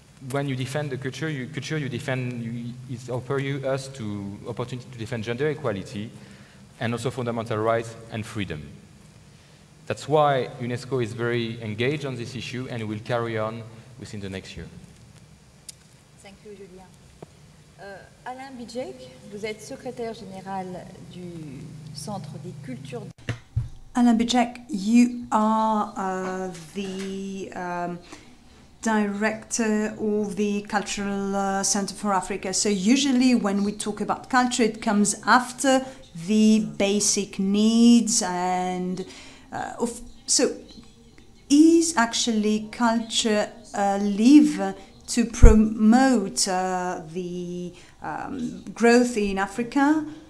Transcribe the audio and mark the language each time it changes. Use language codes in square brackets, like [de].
[en] When you defend the culture, it offers us opportunity to defend gender equality and also fundamental rights and freedom. That's why UNESCO is very engaged on this issue and will carry on within the next year. Thank you, Julien. [fr] Alain Bijek, vous êtes secrétaire général du Centre des Cultures. [en] Alain Bijek, you are the director of the Cultural Center for Africa. So usually when we talk about culture, it comes after the basic needs. And so is actually culture a lever to promote the growth in Africa?